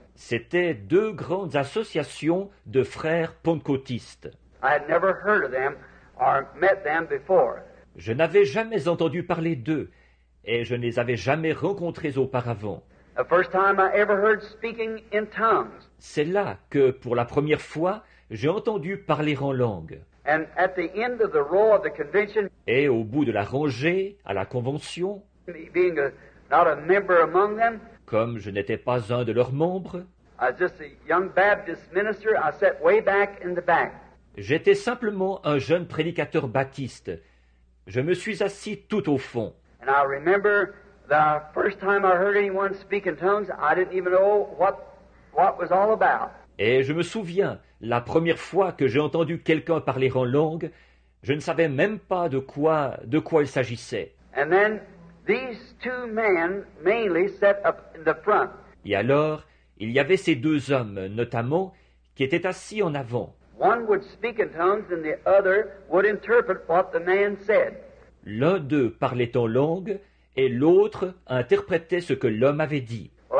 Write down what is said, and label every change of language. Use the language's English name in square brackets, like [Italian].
[French] C'étaient deux grandes associations de frères pentecôtistes. [English] I had never heard of them or met them before. [French] Je n'avais jamais entendu parler d'eux. Et je ne les avais jamais rencontrés auparavant. [English] The first time I ever heard speaking in tongues. [French] C'est là que, pour la première fois, j'ai entendu parler en langue. [English] And at the end of the row of the convention, [French] et au bout de la rangée, à la convention, [English] being not a member among them, [French] comme je n'étais pas un de leurs membres, [English] as just a young Baptist minister, I sat way back in the back. [French] J'étais simplement un jeune prédicateur baptiste. Je me suis assis tout au fond. [English] And I remember the first time I heard anyone speak in tongues, I didn't even know what was all about. [French] Et je me souviens, la première fois que j'ai entendu quelqu'un parler en langue, je ne savais même pas de quoi il s'agissait. [English] And then these two men mainly sat up in the front. [French] Et alors, il y avait ces deux hommes, notamment, qui étaient assis en avant. [English] One would speak in tongues and the other would interpret what the man said. [French] L'un d'eux parlait en langue et l'autre interprétait ce que l'homme avait dit.